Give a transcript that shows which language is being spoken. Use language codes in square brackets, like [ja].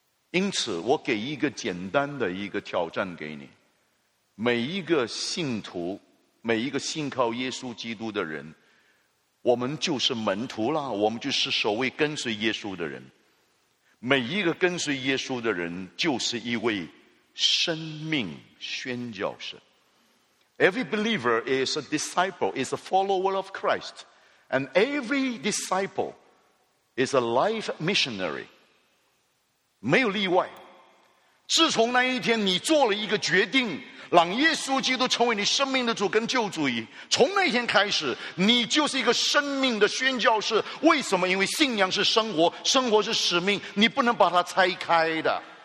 [zh] 因此我给一个简单的一个挑战给你，每一个信徒，每一个信靠耶稣基督的人，我们就是门徒啦，我们就是所谓跟随耶稣的人。每一个跟随耶稣的人就是一位生命宣教士。 [en] Every believer is a disciple, is a follower of Christ, and every disciple is a life missionary, [zh] 没有例外。自从那一天你做了一个决定，让耶稣基督成为你生命的主跟救主，从那天开始你就是一个生命的宣教士。为什么？因为信仰是生活，生活是使命，你不能把它拆开的。